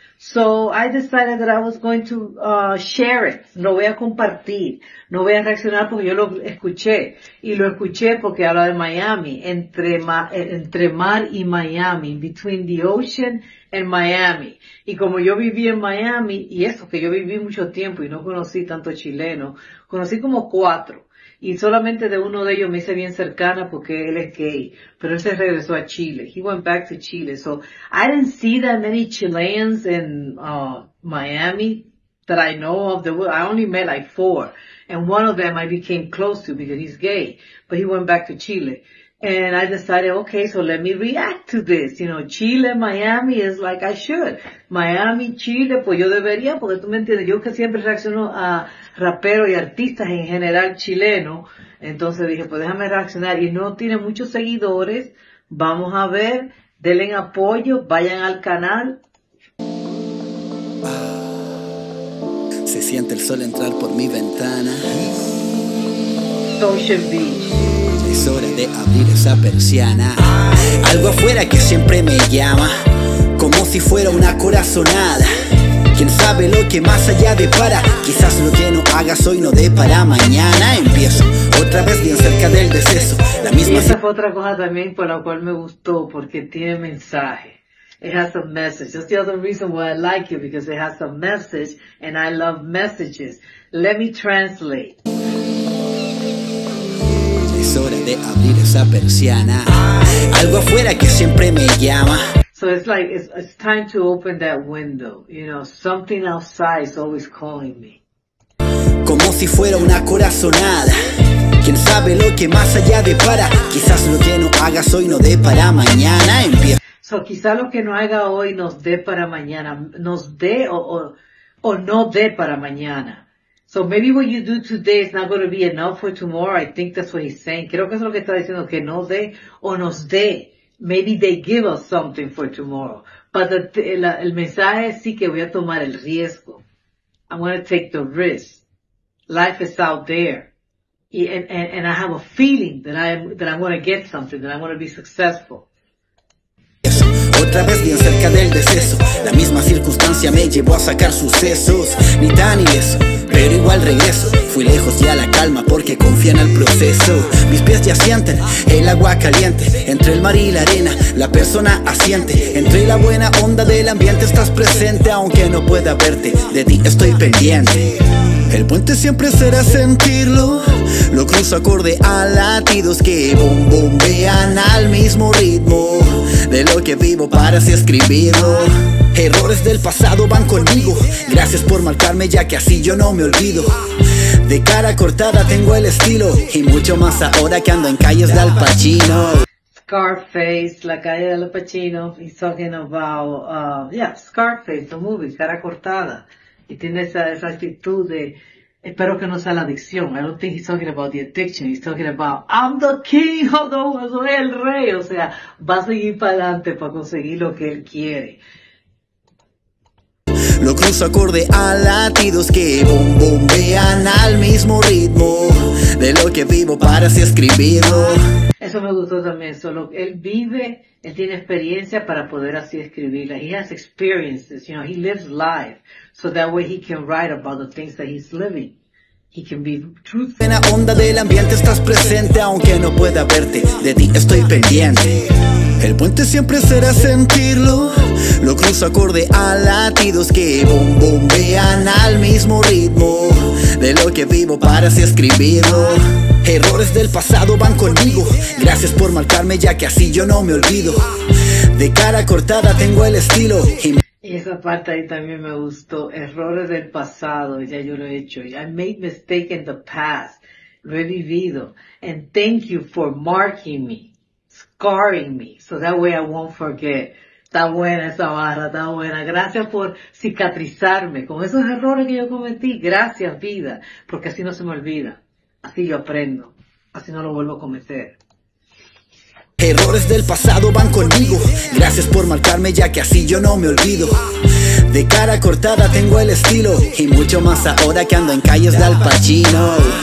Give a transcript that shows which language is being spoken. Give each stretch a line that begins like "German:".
English: So I decided that I was going to share it.
Spanish: No voy a compartir, no voy a reaccionar porque yo lo escuché. Y lo escuché porque habla de Miami, entre mar y Miami,
English: between the ocean and Miami.
Spanish: Y como yo viví en Miami, y eso, que yo viví mucho tiempo y no conocí tanto chileno, conocí como cuatro. Y solamente de uno de ellos me hice bien cercana porque él es gay. Pero él se regresó a Chile.
English: He went back to Chile. So, I didn't see that many Chileans in Miami that I know of. I only met like four. And one of them I became close to because he's gay. But he went back to Chile. And I decided, okay, so let me react to this. You know, Chile, Miami is like I should.
Spanish: Miami, Chile, pues yo debería, porque tú me entiendes. Yo que siempre reacciono a raperos y artistas en general chileno. Entonces dije, pues déjame reaccionar. Y no tiene muchos seguidores. Vamos a ver. Denle apoyo. Vayan al canal. Se siente el sol entrar por mi ventana.
English: Ocean Beach.
Spanish: Es hora de abrir esa persiana. Algo afuera que siempre me llama, como si fuera una corazonada. Quién sabe lo que más allá depara. Quizás lo que no hagas hoy no dé para mañana. Empiezo otra vez bien cerca del deceso. La misma. Y esa fue otra cosa también por la cual me gustó, porque tiene mensaje.
English: It has a message. That's the other reason why I like it, because it has a message and I love messages. Let me translate.
Spanish: Es hora de abrir esa persiana. Algo afuera que siempre me llama.
English: So it's like it's time to open that window. You know, something outside is always calling me.
Spanish: Como si fuera una corazonada. Quién sabe lo que más allá depara. Quizás lo que no hagas hoy no dé para mañana. Empieza. So quizás lo que no haga hoy nos dé para mañana. Nos dé o no dé para mañana.
English: So maybe what you do today is not going to be enough for tomorrow. I think that's what he's saying.
Spanish: Creo que es lo que está diciendo, que no dé o nos dé.
English: Maybe they give us something for tomorrow. But
Spanish: el mensaje es, sí que voy a tomar el riesgo.
English: I'm going to take the risk. Life is out there. And I have a feeling that I'm going to get something, that I'm going to be successful.
Spanish: Otra vez bien cerca del deceso. La misma circunstancia me llevó a sacar sucesos. Ni tan ni eso, pero igual regreso. Fui lejos y a la calma porque confía en el proceso. Mis pies ya sienten el agua caliente. Entre el mar y la arena, la persona asiente. Entre la buena onda del ambiente estás presente. Aunque no pueda verte, de ti estoy pendiente. El puente siempre será sentirlo. Lo cruzo acorde a latidos que bombean al mismo ritmo. De lo que vivo para así escribirlo. Errores del pasado van conmigo. Gracias por marcarme, ya que así yo no me olvido. De cara cortada tengo el estilo. Y mucho más ahora que ando en calles de Al Pacino. Scarface, la calle de Al Pacino.
English: He's talking about, Scarface, the movie,
Spanish: cara cortada. Y tiene esa actitud de, espero que no sea la adicción.
English: I don't think he's talking about the addiction. He's talking about, I'm the king of the world.
Spanish: Soy el rey. O sea, va a seguir para adelante para conseguir lo que él quiere. Lo cruzo acorde a latidos que bombean al mismo ritmo. De lo que vivo para así escribirlo. Eso me gustó también. Solo él vive, él tiene experiencia para poder así escribirla.
English: He has experiences, you know, he lives life. So that way he can write about the things that he's living. He can be truthful.
Spanish: En la onda del ambiente estás presente, aunque no pueda verte, de ti estoy pendiente. El puente siempre será sentirlo. Lo cruzo acorde a latidos que bombean al mismo ritmo. De lo que vivo para así escribirlo. Errores del pasado van conmigo. Gracias por marcarme, ya que así yo no me olvido. De cara cortada tengo el estilo. Y esa parte ahí también me gustó. Errores del pasado, ya yo lo he hecho.
English: I made mistake in the past.
Spanish: revivido.
English: And thank you for marking me, scarring me, so that way I won't forget.
Spanish: Está buena esa barra, está buena. Gracias por cicatrizarme con esos errores que yo cometí. Gracias, vida, porque así no se me olvida. Así yo aprendo. Así no lo vuelvo a cometer. Errores del pasado van conmigo. Gracias por marcarme, ya que así yo no me olvido. De cara cortada tengo el estilo, y mucho más ahora que ando en calles de Al Pacino.